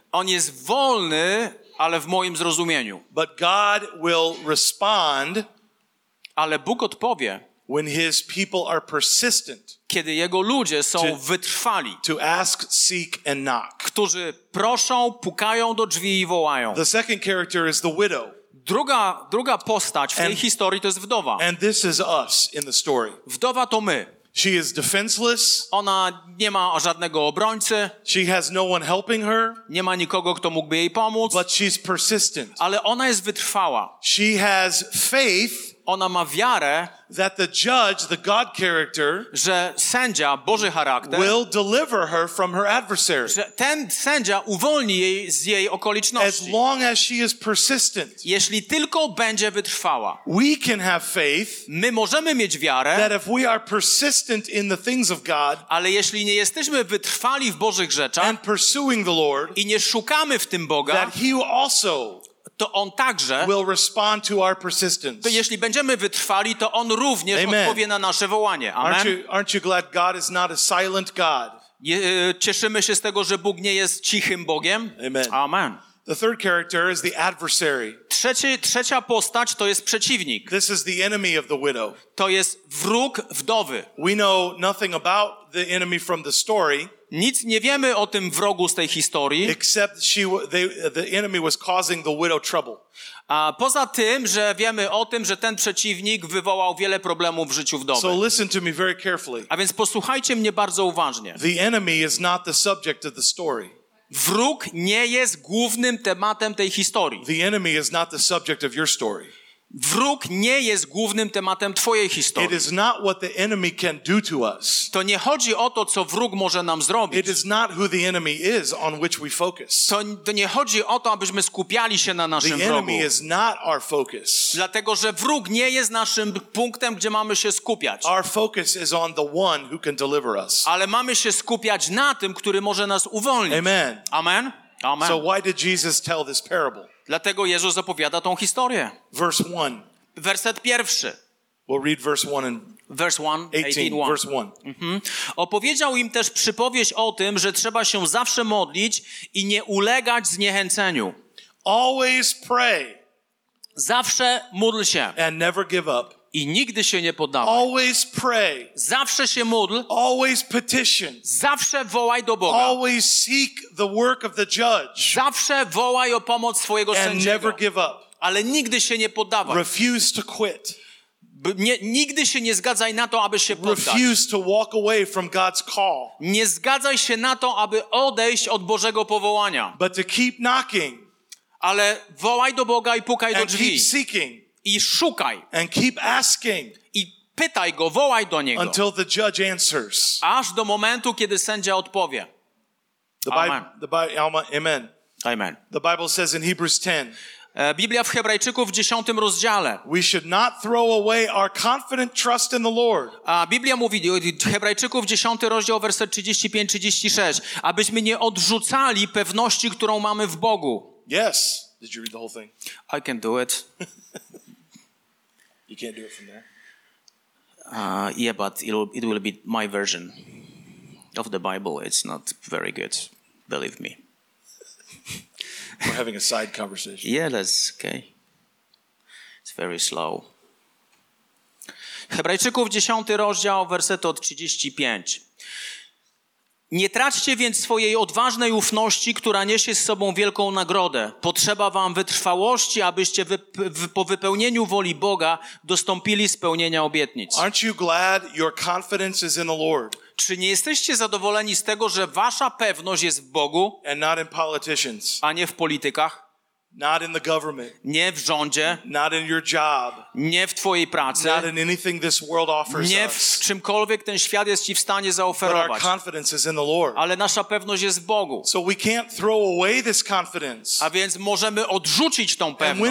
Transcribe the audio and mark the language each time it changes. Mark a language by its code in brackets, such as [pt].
[pl] On jest wolny, ale w moim zrozumieniu. [en] But God will respond, [pl] ale Bóg odpowie, [en] when his people are persistent, [pl] kiedy jego ludzie są wytrwali, [en] to ask, seek and knock, [pl] którzy proszą, pukają do drzwi i wołają. [en] The second character is the widow. [pl] Druga postać w tej historii to jest wdowa. [en] And this is us in the story. [pl] Wdowa to my. [en] She is defenseless. [pl] Ona nie ma żadnego obrońcy. [en] She has no one helping her. [pl] Nie ma nikogo, kto mógłby jej pomóc. [en] But she's persistent. [pl] Ale ona jest wytrwała. [en] She has faith. [pl] Ona ma wiarę, [en] that the judge, the God character, [pl] że sędzia, Boży charakter, [en] will deliver her from her adversary. [pl] Że ten sędzia uwolni jej z jej okoliczności. [en] As long as she is persistent. [pl] Jeśli tylko będzie wytrwała. [en] We can have faith, [pl] my możemy mieć wiarę, [en] that if we are persistent in the things of God, [pl] ale jeśli nie jesteśmy wytrwali w Bożych rzeczach, [en] and pursuing the Lord, [pl] i nie szukamy w tym Boga, [en] that he also [pl] to on także, [en] will respond to our persistence. [pl] To jeśli będziemy wytrwali, to on również [en] Amen. [pl] Odpowie na nasze wołanie. Amen. [en] Aren't you glad God is not a silent God? [pl] Cieszymy się z tego, że Bóg nie jest cichym Bogiem. [en] Amen. [pl] Amen. [en] The third character is the adversary. [pl] Trzecia postać to jest przeciwnik. [en] This is the enemy of the widow. [pl] To jest wróg wdowy. [en] We know nothing about the enemy from the story. [pl] Nic nie wiemy o tym wrogu z tej historii. [en] Except the enemy was causing the widow trouble. [pl] A poza tym, że wiemy o tym, że ten przeciwnik wywołał wiele problemów w życiu wdowy. [en] So listen to me very carefully. [pl] A więc posłuchajcie mnie bardzo uważnie. [en] The enemy is not the subject of the story. [pl] Wróg nie jest głównym tematem tej historii. [en] The enemy is not the subject of your story. [pl] Wróg nie jest głównym tematem twojej historii. [en] It is not what the enemy can do to us. [pl] To nie chodzi o to, co wróg może nam zrobić. [en] It is not who the enemy is on which we focus. [pl] To nie chodzi o to, abyśmy skupiali się na naszym [en] the [pl] wrogu. [en] The enemy is not our focus. [pl] Dlatego, że wróg nie jest naszym punktem, gdzie mamy się skupiać. [en] Our focus is on the one who can deliver us. [pl] Ale mamy się skupiać na tym, który może nas uwolnić. [en] Amen. [pl] Amen. Amen. [en] So why did Jesus tell this parable? [pl] Dlatego Jezus opowiada tą historię. [en] Verse 1. [pl] Werset pierwszy. [en] We'll read verse 1 and verse 1, 18, 1. Verse 1. Mm-hmm. [pl] Opowiedział im też przypowieść o tym, że trzeba się zawsze modlić i nie ulegać zniechęceniu. [en] Always pray. [pl] Zawsze módl się. [en] And never give up. [pl] I nigdy się nie poddawaj. [en] Always pray. [pl] Zawsze się módl. [en] Always petition. [pl] Zawsze wołaj do Boga. [en] Always seek the work of the judge. [pl] Zawsze wołaj o pomoc swojego [en] and [pl] sędziego. [en] And never give up. [pl] Ale nigdy się nie poddawaj. [en] Refuse to quit. [pl] Nigdy się nie zgadzaj na to, aby się poddać. [en] Refuse to walk away from God's call. [pl] Nie zgadzaj się na to, aby odejść od Bożego powołania. [en] But to keep knocking. [pl] Ale wołaj do Boga i pukaj do drzwi. [en] And keep seeking. [pl] I szukaj. [en] And keep asking. [pl] I pytaj go, wołaj do niego. [en] Until the judge answers. [pl] Aż do momentu, kiedy sędzia odpowie. [en] Amen. [pl] Amen. [en] The Bible says in Hebrews 10. [pl] Biblia w Hebrajczyków w 10 rozdziale. [en] We should not throw away our confident trust in the Lord. [pl] A Biblia mówi w Hebrajczyków 10 rozdział werset 35-36, abyśmy nie odrzucali pewności, którą mamy w Bogu. [en] Yes. Did you read the whole thing? I can do it. You can't do it from there. Yeah, but it will be my version of the Bible. It's not very good, believe me. We're having a side conversation. Yeah, that's okay. It's very slow. [pl] Hebrajczyków 10 rozdział, werset od 35. Nie traćcie więc swojej odważnej ufności, która niesie z sobą wielką nagrodę. Potrzeba wam wytrwałości, abyście po wypełnieniu woli Boga dostąpili spełnienia obietnic. [en] Aren't you glad your confidence is in the Lord? [pl] Czy nie jesteście zadowoleni z tego, że wasza pewność jest w Bogu, [en] and not in politicians, [pl] a nie w politykach? [en] Not in the government. [pl] Nie w rządzie. [en] Not in your job. [pl] Nie w twojej pracy. [en] Not in anything this world offers [pl] nie w [en] us. [pl] Czymkolwiek ten świat jest ci w stanie zaoferować. [en] But our confidence is in the Lord. [pl] Ale nasza pewność jest w Bogu. [en] So we can't throw away this confidence. [pl] A więc możemy odrzucić tą pewność.